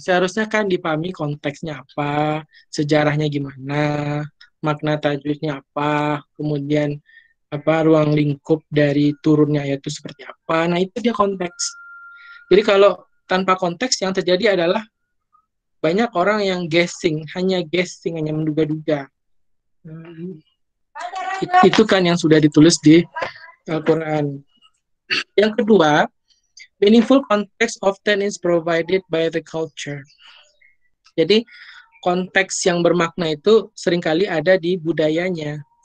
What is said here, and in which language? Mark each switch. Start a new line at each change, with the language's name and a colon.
Indonesian: Seharusnya kan dipahami konteksnya apa, sejarahnya gimana, makna tajwidnya apa, kemudian apa ruang lingkup dari turunnya ayat itu seperti apa. Nah, itu dia konteks. Jadi kalau tanpa konteks yang terjadi adalah banyak orang yang guessing, hanya menduga-duga. Itu kan yang sudah ditulis di Al-Qur'an. Yang kedua,
English: meaningful context often is provided by the culture.
Indonesian: Jadi konteks yang bermakna itu seringkali ada di budayanya.